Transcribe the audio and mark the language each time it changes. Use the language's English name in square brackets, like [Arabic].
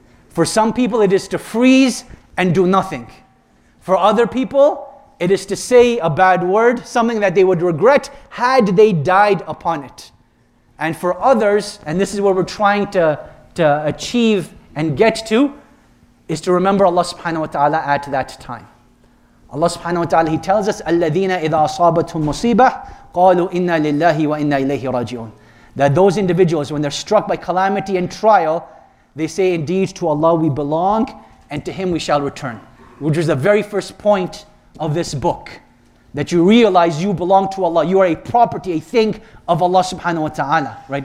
[English] For some people, it is to freeze and do nothing. For other people, it is to say a bad word, something that they would regret had they died upon it. And for others, and this is what we're trying to achieve and get to, is to remember Allah subhanahu wa ta'ala at that time. [Arabic] Allah subhanahu wa ta'ala, [English] He tells us, [Arabic] الَّذِينَ إِذَا أَصَابَتْهُمْ مُصِيبَةٌ قَالُوا إِنَّا لِلَّهِ وَإِنَّا إِلَيْهِ رَاجِعُونَ. [English] That those individuals, when they're struck by calamity and trial, they say, indeed, to Allah we belong, and to Him we shall return. Which is the very first point of this book. That you realize you belong to Allah. You are a property, a thing of Allah subhanahu wa ta'ala. Right?